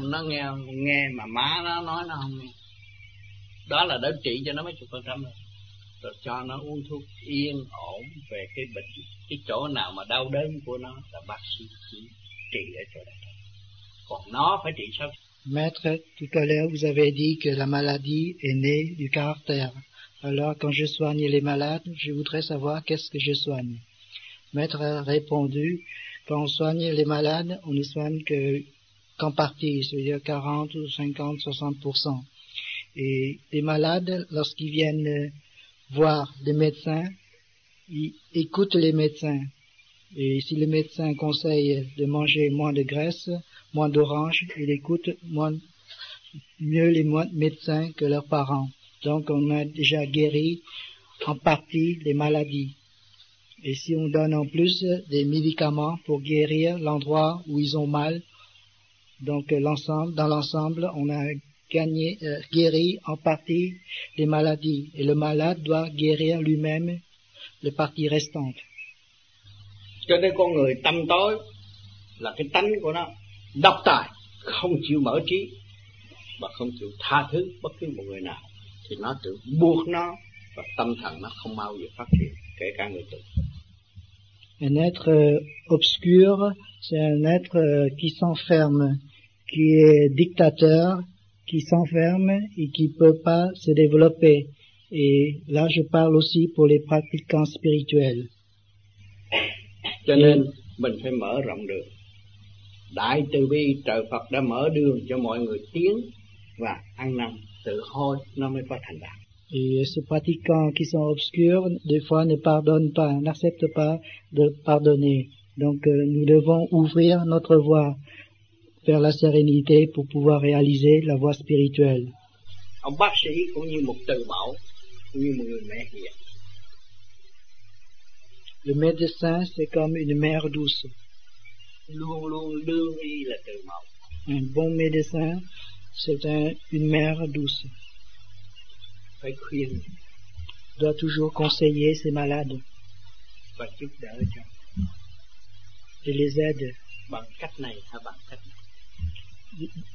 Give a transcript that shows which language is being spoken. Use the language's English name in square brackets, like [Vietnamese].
[Vietnamese] Nó nghe nghe mà má nó nói nó không nghe. Đó là đỡ trị cho nó mấy chục phần trăm rồi. Rồi cho nó uống thuốc yên ổn về cái bệnh. Cái chỗ nào mà đau đớn của nó là bác sĩ chỉ. Còn nó phải trị sao? [French] Maître, tout à l'heure, vous avez dit que la maladie est née du caractère. Alors, quand je soigne les malades, je voudrais savoir qu'est-ce que je soigne. Maître a répondu, quand on soigne les malades, on ne soigne qu'en partie, c'est-à-dire 40 ou 50, 60%. Et les malades, lorsqu'ils viennent voir des médecins, ils écoutent les médecins. Et si le médecin conseille de manger moins de graisse, moins d'orange, il écoute mieux les médecins que leurs parents. Donc on a déjà guéri en partie les maladies. Et si on donne en plus des médicaments pour guérir l'endroit où ils ont mal, donc l'ensemble, dans l'ensemble, on a gagné, guéri en partie les maladies. Et le malade doit guérir lui-même les parties restantes. [Vietnamese] Cho nên con người tâm tối là cái tánh của nó độc tài, không chịu mở trí và không chịu tha thứ bất cứ một người nào, thì nó tự buộc nó và tâm thần nó không bao giờ phát triển, kể cả người tự. [French] Un être obscur, c'est un être qui s'enferme, qui est dictateur, qui s'enferme et qui ne peut pas se développer. Et là, je parle aussi pour les pratiquants spirituels. [Vietnamese] Cho nên mình phải mở rộng đường. Đại từ bi trời Phật đã mở đường cho mọi người tiến và ăn năn tự hối, nó mới có thành đạt. [French] Et ces pratiquants qui sont obscurs, des fois ne pardonnent pas, n'acceptent pas de pardonner. Donc nous devons ouvrir notre voie vers la sérénité pour pouvoir réaliser la voie spirituelle. [Vietnamese] Ông bác sĩ cũng như một từ mẫu, cũng như một người mẹ hiền. [French] Le médecin, c'est comme une mère douce. [Vietnamese] Luôn luôn đương y là từ mẫu. [French] Un bon médecin, c'est une mère douce. [Vietnamese] Phải khuyên. [French] Doit toujours conseiller ses malades. [Vietnamese] Và giúp đỡ cho. [French] Et les aide. [Vietnamese] Bằng cách này hay bằng cách này.